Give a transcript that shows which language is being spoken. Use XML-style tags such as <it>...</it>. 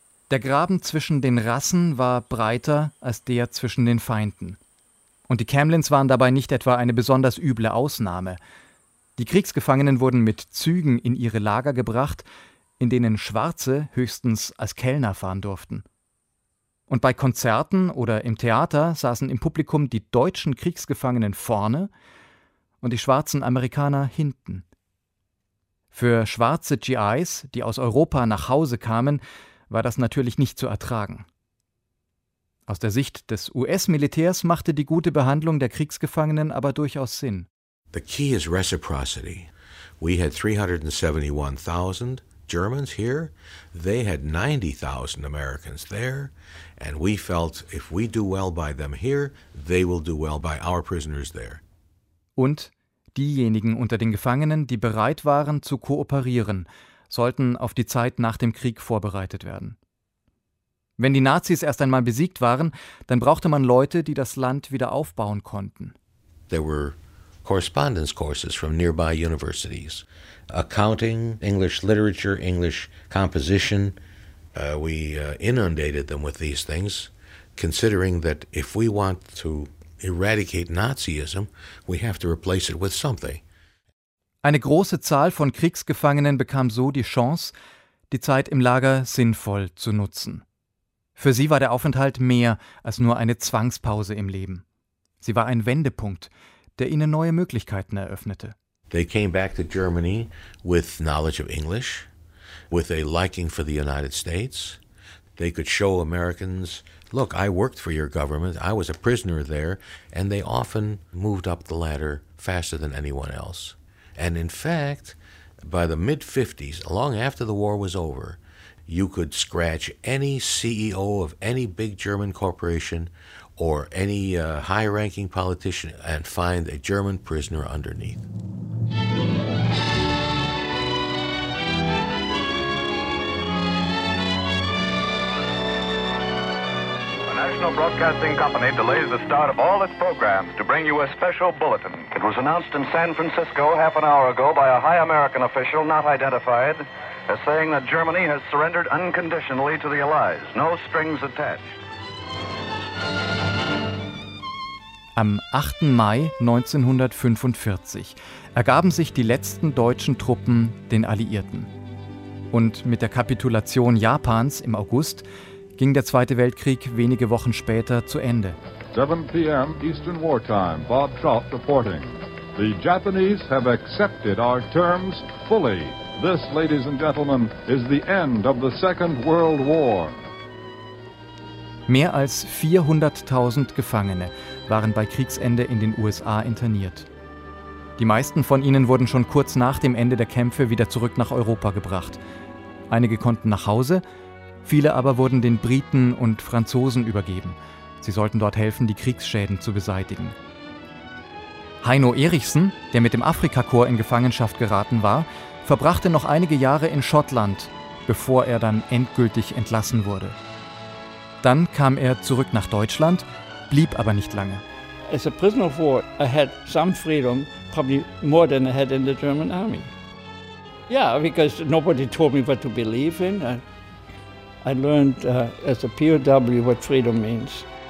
<de>Der Graben zwischen den Rassen war breiter als der zwischen den Feinden. Und die Camlins waren dabei nicht etwa eine besonders üble Ausnahme. Die Kriegsgefangenen wurden mit Zügen in ihre Lager gebracht, in denen Schwarze höchstens als Kellner fahren durften. Und bei Konzerten oder im Theater saßen im Publikum die deutschen Kriegsgefangenen vorne und die schwarzen Amerikaner hinten. Für schwarze GIs, die aus Europa nach Hause kamen, war das natürlich nicht zu ertragen. Aus der Sicht des US-Militärs machte die gute Behandlung der Kriegsgefangenen aber durchaus Sinn.</de> <en>The key is reciprocity. We had 371,000 Germans here, they had 90,000 Americans there, and we felt if we do well by them here, they will do well by our prisoners there.</en> <de>Und diejenigen unter den Gefangenen, die bereit waren zu kooperieren, sollten auf die Zeit nach dem Krieg vorbereitet werden. Wenn die Nazis erst einmal besiegt waren, dann brauchte man Leute, die das Land wieder aufbauen konnten.</de> <en>There were correspondence courses from nearby universities. Accounting, English literature, English composition. We inundated them with these things, considering that if we want to eradicate Nazism, we have to replace it with something.</en> <de>Eine große Zahl von Kriegsgefangenen bekam so die Chance, die Zeit im Lager sinnvoll zu nutzen. Für sie war der Aufenthalt mehr als nur eine Zwangspause im Leben. Sie war ein Wendepunkt, der ihnen neue Möglichkeiten eröffnete.</de> <en>They came back to Germany with knowledge of English, with a liking for the United States. They could show Americans, look, I worked for your government, I was a prisoner there, and they often moved up the ladder faster than anyone else. And in fact, by the mid-50s, long after the war was over, you could scratch any CEO of any big German corporation or any high-ranking politician and find a German prisoner underneath. The National Broadcasting Company delays the start of all its programs to bring you a special bulletin. It was announced in San Francisco half an hour ago by a high American official not identified as saying that Germany has surrendered unconditionally to the Allies, no strings attached.</en> <de>Am 8. Mai 1945 ergaben sich die letzten deutschen Truppen den Alliierten. Und mit der Kapitulation Japans im August ging der Zweite Weltkrieg wenige Wochen später zu Ende.</de> <en>7 p.m. Eastern Wartime, Bob Trout reporting. The Japanese have accepted our terms fully. This, ladies and gentlemen, is the end of the Second World War.</en> <de>Mehr als 400.000 Gefangene waren bei Kriegsende in den USA interniert. Die meisten von ihnen wurden schon kurz nach dem Ende der Kämpfe wieder zurück nach Europa gebracht. Einige konnten nach Hause, viele aber wurden den Briten und Franzosen übergeben. Sie sollten dort helfen, die Kriegsschäden zu beseitigen. Heino Erichsen, der mit dem Afrikakorps in Gefangenschaft geraten war, verbrachte noch einige Jahre in Schottland, bevor er dann endgültig entlassen wurde. Dann kam er zurück nach Deutschland, blieb aber nicht lange.</de> <en>As a prisoner of war, I had some freedom, probably more than I had in the German army. Yeah, because nobody told me what to believe in. I learned as a POW what freedom means.</en>